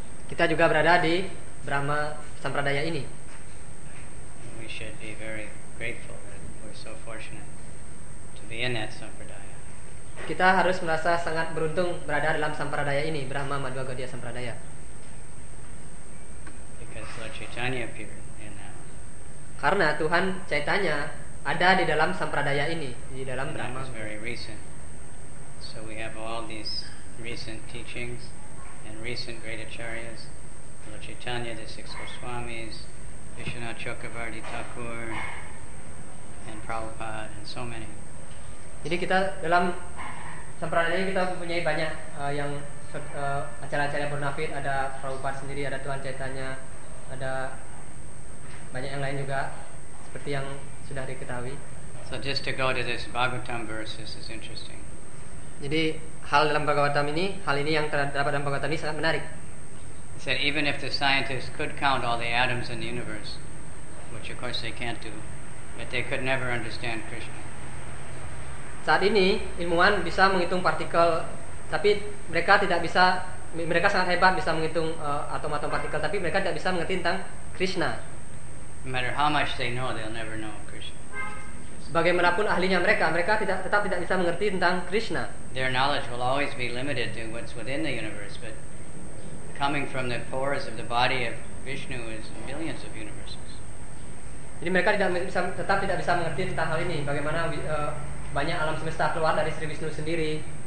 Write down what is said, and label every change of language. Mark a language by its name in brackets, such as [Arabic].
[Indonesian] Kita juga berada di Brahma sampradaya ini. [English] We should be very grateful that we're so fortunate to be in that sampradaya. [Indonesian] Kita harus merasa sangat beruntung berada dalam sampradaya ini, Brahma Madhvagaudiya sampradaya. [English] Because Lord Chaitanya appeared in that. [Indonesian] Karena Tuhan Chaitanya ada di dalam sampradaya ini, di dalam Brahma. [English] That was very recent. So we have all these recent teachings and recent great acharyas, Lord Chaitanya, the six Goswamis, Vishwanath Chakravarti Thakur, and Prabhupada, and so many. [Indonesian] Jadi kita dalam sampradaya kita mempunyai banyak yang acara-acara bernafid, ada Prabhupada sendiri, ada Tuhan Chaitanya, ada banyak yang lain juga seperti yang sudah diketahui. [English] So just to go to this Bhagavatam verse, this is interesting. [Indonesian] Jadi hal dalam Bhagavatam ini, hal ini yang terdapat dalam Bhagavatam ini sangat menarik. [English] He said even if the scientists could count all the atoms in the universe, which of course they can't do, but they could never understand Krishna. [Indonesian] Saat ini ilmuwan bisa menghitung partikel, tapi mereka tidak bisa, mereka sangat hebat bisa menghitung atom-atom partikel, tapi mereka tidak bisa mengerti tentang Krishna. [English] No matter how much they know, they'll never know Krishna. [Indonesian] Bagaimanapun ahlinya mereka, mereka tidak, tetap tidak bisa mengerti tentang Krishna. [English] Their knowledge will always be limited to what's within the universe, but coming from the pores of the body of Vishnu is millions of universes. [Indonesian] Jadi mereka tidak bisa, tetap tidak bisa mengerti tentang hal ini, bagaimana banyak alam semesta keluar dari Sri Vishnu sendiri.